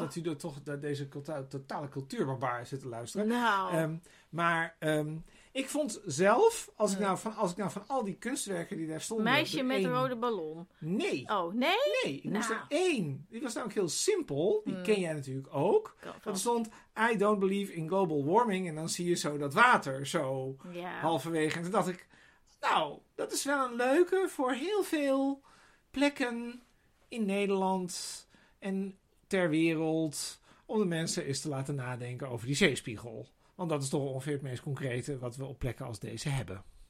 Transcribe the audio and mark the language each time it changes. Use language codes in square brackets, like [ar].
[nl] Dat u er toch deze totale cultuurbarbaar zit te luisteren. Ik vond zelf, als ik nou van al die kunstwerken die daar stonden... Meisje met een rode ballon. Nee. Oh, nee? Nee, ik moest er één. Die was namelijk heel simpel. Die ken jij natuurlijk ook. [en] Dat stond, I don't believe in global warming. [nl] En dan zie je zo dat water zo halverwege. En toen dacht ik, nou, dat is wel een leuke voor heel veel plekken in Nederland en ter wereld. Om de mensen eens te laten nadenken over die zeespiegel. Want dat is toch ongeveer het meest concrete wat we op plekken als deze hebben.